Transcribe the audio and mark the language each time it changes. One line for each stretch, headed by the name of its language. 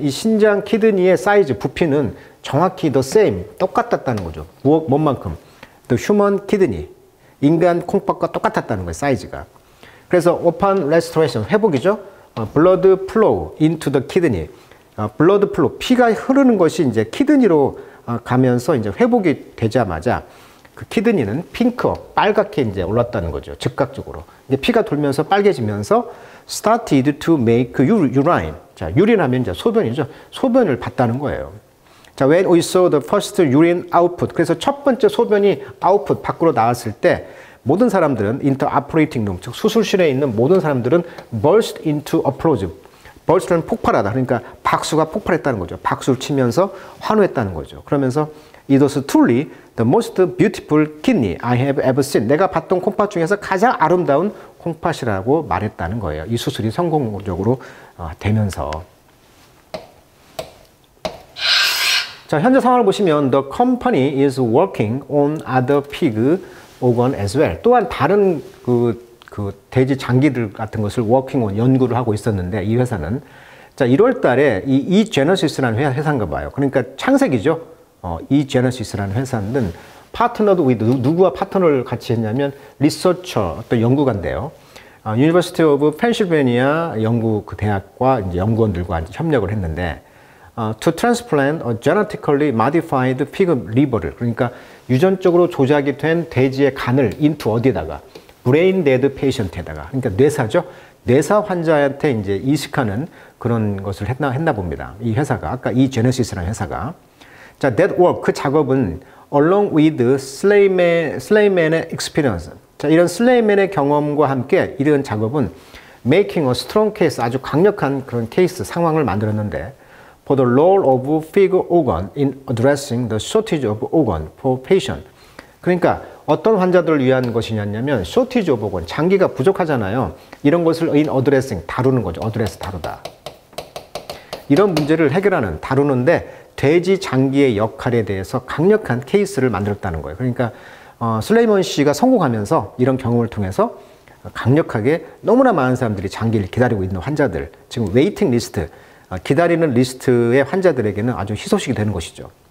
Korean: 이 신장 키드니의 사이즈, 부피는 정확히
English: the same.
Korean: 똑같았다는 거죠. 뭔만큼?
English: The human kidney.
Korean: 인간 콩팥과 똑같았다는 거예요. 사이즈가.
English: 그래서 open restoration.
Korean: 회복이죠.
English: Blood flow into the kidney. Blood flow.
Korean: 피가 흐르는 것이 이제 키드니로 가면서 이제 회복이 되자마자 그 키드니는 핑크, 빨갛게 이제 올랐다는 거죠. 즉각적으로. 이제 피가 돌면서 빨개지면서
English: started to make urine.
Korean: 자, 유린하면 이제 소변이죠. 소변을 봤다는 거예요.
English: 자, when we saw the first urine output.
Korean: 그래서 첫 번째 소변이 output, 밖으로 나왔을 때 모든 사람들은 intraoperating room, 즉 수술실에 있는 모든 사람들은
English: burst into applause.
Korean: burst는 폭발하다. 그러니까 박수가 폭발했다는 거죠. 박수를 치면서 환호했다는 거죠.
English: 그러면서 it was truly the most beautiful kidney I have ever seen.
Korean: 내가 봤던 콩팥 중에서 가장 아름다운 콩팥이라고 말했다는 거예요. 이 수술이 성공적으로 되면서.
English: 자,
Korean: 현재 상황을 보시면
English: the company is working on other pig organ as well.
Korean: 또한 다른 그 돼지 장기들 같은 것을 working on 연구를 하고 있었는데 이 회사는 자 1월 달에 이 Genesis라는 회사인가 봐요. 그러니까 창세기죠. 이 Genesis라는 회사는 파트너도 with 누구와 파트너를 같이 했냐면 리서처 어떤 연구관인데요. University of Pennsylvania 연구 그 대학과 이제 연구원들과 이제 협력을 했는데
English: to transplant a genetically modified pig liver
Korean: 를 그러니까 유전적으로 조작이 된 돼지의 간을 into 어디다가 브레인 데드 페이션트에다가 그러니까 뇌사죠. 뇌사 환자한테 이제 이식하는 그런 것을 했나 봅니다. 이 회사가 아까 이 제네시스라는 회사가 자,
English: that work
Korean: 그 작업은 along with Slayman의 experience.
English: 자,
Korean: 이런 Slayman의 경험과 함께 이런 작업은
English: making a strong case
Korean: 아주 강력한 그런 케이스 상황을 만들었는데
English: for the role of pig organ in addressing the shortage of organ for patient.
Korean: 그러니까 어떤 환자들을 위한 것이냐면 shortage of organ, 장기가 부족하잖아요. 이런 것을
English: in addressing,
Korean: 다루는 거죠. address, 다루다. 이런 문제를 해결하는, 다루는데 돼지 장기의 역할에 대해서 강력한 케이스를 만들었다는 거예요. 그러니까 슬레이먼 씨가 성공하면서 이런 경험을 통해서 강력하게 너무나 많은 사람들이 장기를 기다리고 있는 환자들, 지금 waiting list, 기다리는 리스트의 환자들에게는 아주 희소식이 되는 것이죠.